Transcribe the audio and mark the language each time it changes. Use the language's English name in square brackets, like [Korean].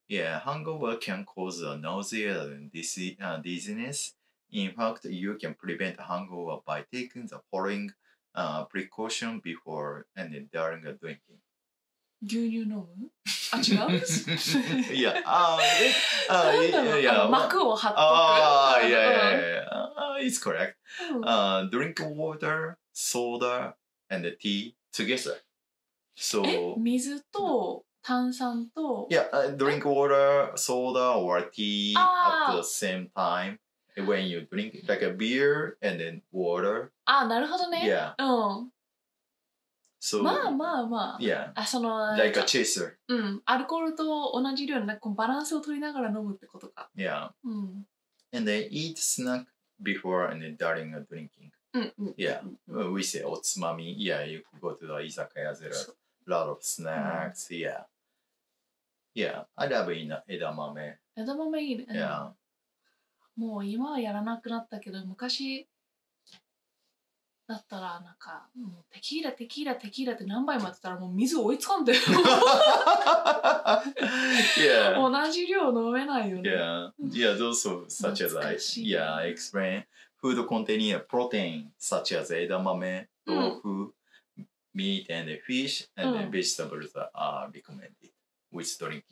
[English] yeah, hangover can cause a nausea and dizziness. In fact, you can prevent a hangover by taking the followingprecaution before and during drinking. [Japanese] 牛乳飲む？あ、違う？いや、あ、え、あ、いやいやいや、膜を張っとく。 [English] あ、いやいやいや、it's correct. Drink water, soda, and tea together. So, [Japanese] 水と炭酸と、 [English] yeah, drink water, soda, or tea at the same time. When you drink like a beer and then water. [Japanese] Ah, なるほどね。 Yeah. うん。 So. まあまあまあ。 Yeah. あ、その。 [English] Like a chaser. うん。 [Japanese] アルコールと同じ量のなんかこうバランスを取りながら飲むってことか。 Yeah. うん。 [English] And then eat snack before and then during a drinking. うんうん。 Yeah. We say おつまみ。Yeah. You could go to the 居酒屋 there are a lot of snacks.、うん、yeah. Yeah. I love in 枝豆。 [Japanese] 枝豆いいね。 Yeah. もう今はやらなくなったけど、昔だったらなんかもうテキーラテキーラテキーラって何杯もやってたらもう水追いつかんで <Yeah. 笑>同じ量飲めないよね。 [English] Yeah, yeah, those of such as I, yeah, explain food containing protein such as 枝豆、うん、豆腐、meat and fish and、うん、vegetables are recommended with drinking.、